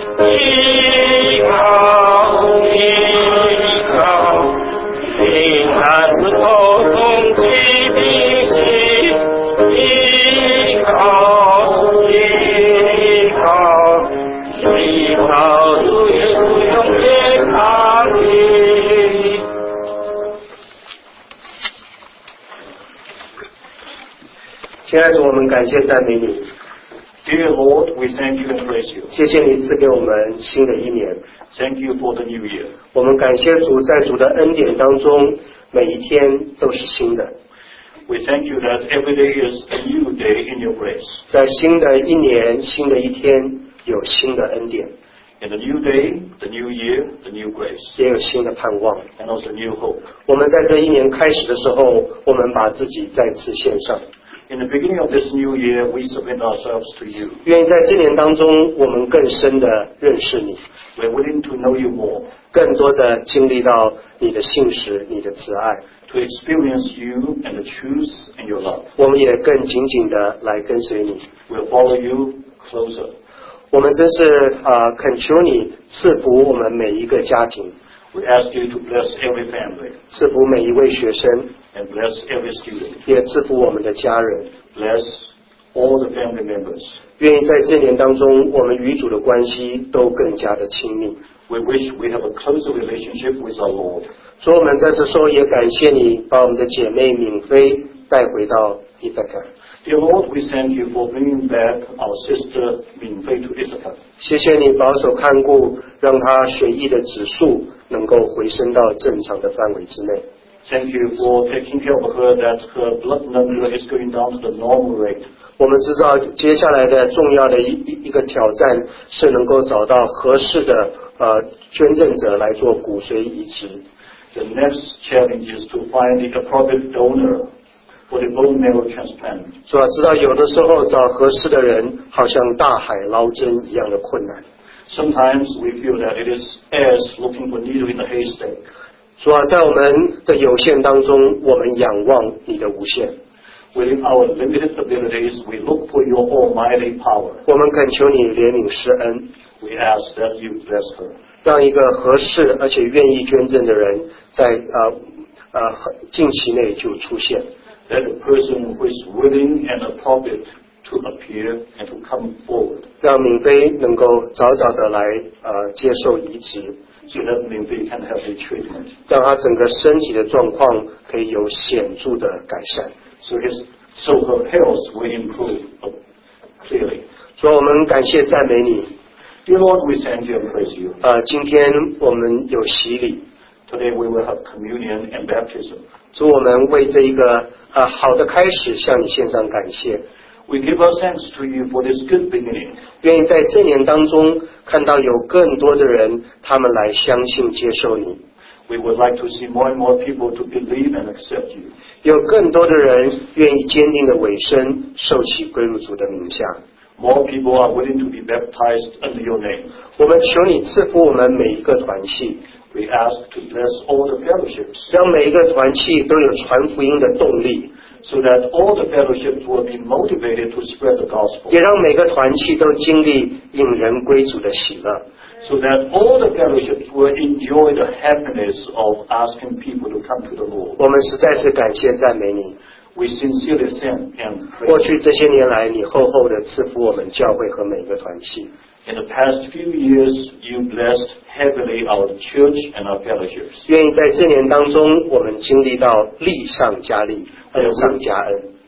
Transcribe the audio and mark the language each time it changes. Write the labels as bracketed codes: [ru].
[zh] 依靠你，依靠平安之后终极的心，依靠你，依靠依靠主耶稣永远当地。亲爱的，我们感谢赞美你。 [en] Dear Lord, we thank you and praise you. [zh] 谢谢你赐给我们新的一年。 [en] Thank you for the new year. [zh] 我们感谢主，在主的恩典当中，每一天都是新的。 [en] We thank you that every day is a new day in your grace. [zh] 在新的一年，新的一天，有新的恩典。 [en] In the new day, the new year, the new grace. [zh] 也有新的盼望。 [en] And also new hope. [zh] 我们在这一年开始的时候，我们把自己再次献上。 [en] In the beginning of this new year, we submit ourselves to you. [zh] 愿意在这年当中，我们更深的认识你。 [en] We're willing to know you more. [zh] 更多的经历到你的信实，你的慈爱。 [en] To experience you and the truth and your love. [zh] 我们也更紧紧的来跟随你。 [en] We'll follow you closer. [zh] 我们真是恳求你赐福我们每一个家庭。 [en] We ask you to bless every family. [zh] 赐福每一位学生。 [en] And bless every student. [zh] 也赐福我们的家人。 [en] Bless all the family members. [zh] 愿意在这年当中，我们与主的关系都更加的亲密。 [en] We wish we have a closer relationship with our Lord. [zh] 所以我们在这时候也感谢你，把我们的姐妹敏菲带回到伊塔卡。 [en] Dear Lord, we thank you for bringing back our sister Minfei to Ithaca. [zh] 谢谢你保守看顾，让她血液的指数能够回升到正常的范围之内。 [en] Thank you for taking care of her that her blood number is going down to the normal rate. [zh] 我们知道接下来的重要的一个挑战是能够找到合适的捐赠者来做骨髓移植。 [en] The next challenge is to find the appropriate donor. For the bone marrow transplant. [zh] 主要知道有的时候找合适的人好像大海捞针一样的困难。 [en] Sometimes we feel that it is as looking for needle in the haystack. [zh] 主要在我们的有限当中，我们仰望你的无限。 [en] Within our limited abilities, we look for your almighty power. [zh] 我们恳求你怜悯施恩。 [en] We ask that you bless her. [zh] 让一个合适而且愿意捐赠的人在近期内就出现。 [en] That a person who is willing and appropriate to appear and to come forward. [zh] 让敏菲能够早早的来接受移植。 [en] So that 敏菲 can have the treatment. [zh] 让她整个身体的状况可以有显著的改善。 [en] So her health will improve clearly. [zh] 所以我们感谢赞美你。 [en] Dear Lord, we thank you and praise you. [zh] 今天我们有洗礼。 [en] Today we will have communion and baptism. [zh] 祝我们为这一个好的开始向你献上感谢。 [en] We give our thanks to you for this good beginning. [zh] 愿意在这年当中看到有更多的人他们来相信接受你。 [en] We would like to see more and more people to believe and accept you. [zh] 有更多的人愿意坚定的委身受洗归入主的名下。 [en] More people are willing to be baptized under your name. [zh] 我们求你赐福我们每一个团契。 [en] We ask to bless all the fellowships. [zh] 让每一个团契都有传福音的动力。 [en] So that all the fellowships will be motivated to spread the gospel. [zh] 也让每个团契都经历引人归主的喜乐。 [en] So that all the fellowships will enjoy the happiness of asking people to come to the Lord. [zh] 我们实在是感谢赞美你。 [en] We sincerely thank and pray. [zh] 过去这些年来，你厚厚的赐福我们教会和每一个团契。 [en] In the past few years, you blessed heavily our church and our fellowships. [zh] 愿意在这年当中，我们经历到力上加力，恩上加恩。